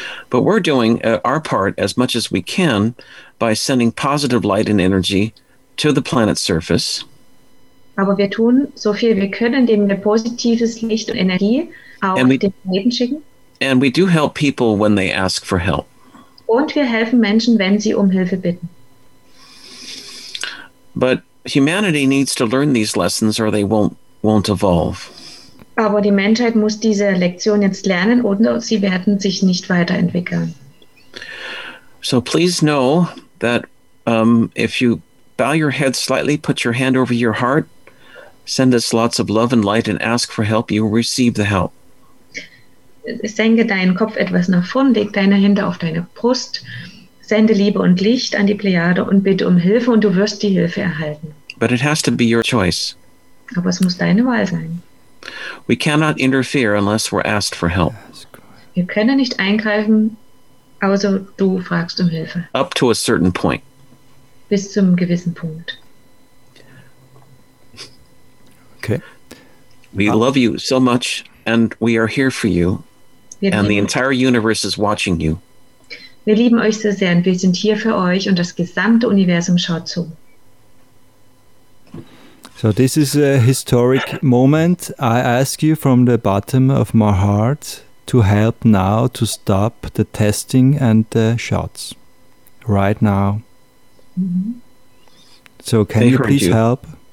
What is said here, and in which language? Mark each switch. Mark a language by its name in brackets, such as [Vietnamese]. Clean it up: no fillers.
[English] But we're doing our part as much as we can by sending positive light and energy to the planet's surface. [German] Aber wir tun so viel wir können, indem wir positives Licht und Energie auch auf den Planeten schicken. [English] And we do help people when they ask for help. [German] Und wir helfen Menschen, wenn sie um Hilfe bitten. [English] But humanity needs to learn these lessons or they won't evolve. [German] Aber die Menschheit muss diese Lektion jetzt lernen oder sie werden sich nicht weiterentwickeln. [English] So please know that if you bow your head slightly, put your hand over your heart, send us lots of love and light and ask for help, you will receive the help. [German] Senke deinen Kopf etwas nach vorn, leg deine Hände auf deine Brust, sende Liebe und Licht an die Plejade und bitte um Hilfe und du wirst die Hilfe erhalten. [English] But it has to be your choice. [German] Aber es muss deine Wahl sein. [English] We cannot interfere unless we're asked for help. [German] Wir können nicht eingreifen, außer du fragst um Hilfe. [English] Up to a certain point. [German] Bis zum gewissen Punkt. [English] Okay. We love you so much and we are here for you. And the entire universe is watching you. [German] Wir lieben euch so sehr und wir sind hier für euch und das gesamte Universum schaut zu. [English] So this is a historic moment. I ask you from the bottom of my heart to help now to stop the testing and the shots. Right now. Mm-hmm. So can you please help?